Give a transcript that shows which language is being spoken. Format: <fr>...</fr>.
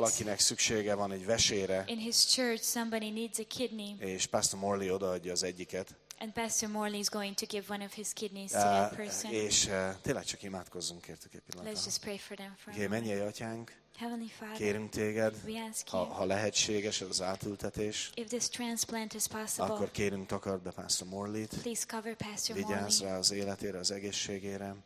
<hu>valakinek szüksége van egy vesére,</hu> <en>in his church, somebody needs a kidney,</en> <hu>és Pastor Morley odaadja az egyiket,</hu> <en>and Pastor Morley is going to give one of his kidneys to that person.</en> <hu>És tényleg csak imádkozzunk értük egy pillanatra.</hu> <en>Let's just pray for them for</en> <hu>okay, mennyei atyánk,</hu> <en>Heavenly Father,</en> <hu>kérünk téged,</hu> <en>we ask you,</en> <hu>ha lehetséges az átültetés,</hu> <en>if this transplant is possible,</en> <hu>akkor kérünk takard be Pastor Morley-t,</hu> <en>please cover Pastor Morley.</en> <hu>Vigyázz rá az életére, az egészségére.</hu>